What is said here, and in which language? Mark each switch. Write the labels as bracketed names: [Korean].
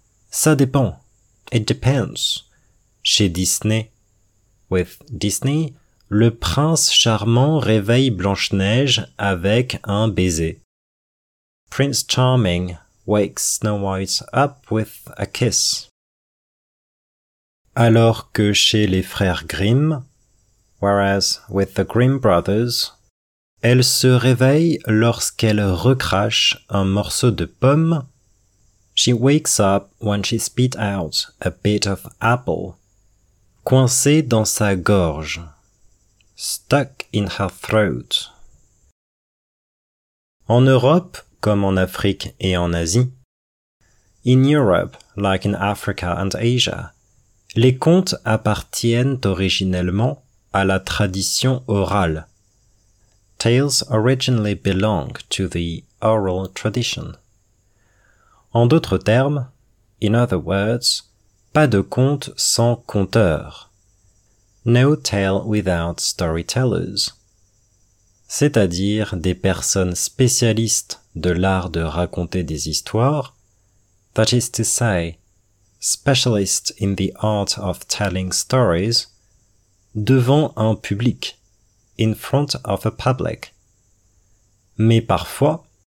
[French] Ça dépend. [English] It depends. [French] Chez Disney. [English] With Disney, [French] le prince charmant réveille Blanche-Neige avec un baiser. [English] Prince Charming wakes Snow White up with a kiss. [French] Alors que chez les frères Grimm, [English] whereas with the Grimm brothers, [French] elle se réveille lorsqu'elle recrache un morceau de pomme. [English] She wakes up when she spit out a bit of apple, [French] coincé dans sa gorge, [English] stuck in her throat. [French] En Europe, comme en Afrique et en Asie, [English] in Europe, like in Africa and Asia, [French] les contes appartiennent originellement à la tradition orale. [English] Tales originally belong to the oral tradition. [French] En d'autres termes, [English] in other words, [French] pas de conte sans conteur. [English] No tale without storytellers. [French] C'est-à-dire des personnes spécialistes de l'art de raconter des histoires. [English] That is to say, specialist in the art of telling stories, [French] devant un public, [English] in front of a public. [French] Mais parfois,